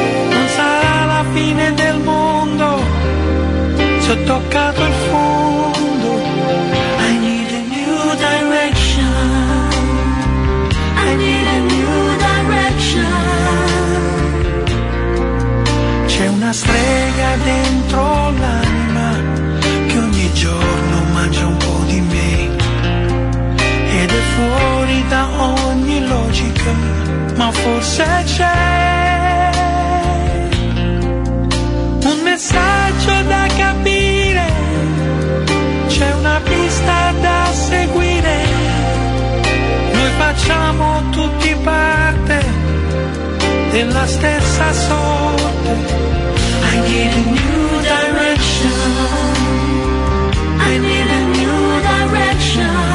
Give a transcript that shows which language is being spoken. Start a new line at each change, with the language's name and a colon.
Italian: Non sarà la fine del mondo se ho toccato il fondo.
English: I need a new direction, I need a new direction.
Italian: Una strega dentro l'anima che ogni giorno mangia un po' di me ed è fuori da ogni logica, ma forse c'è un messaggio da capire, c'è una pista da seguire, noi facciamo tutti parte della stessa sorte.
English: I need a new direction, I need a new direction.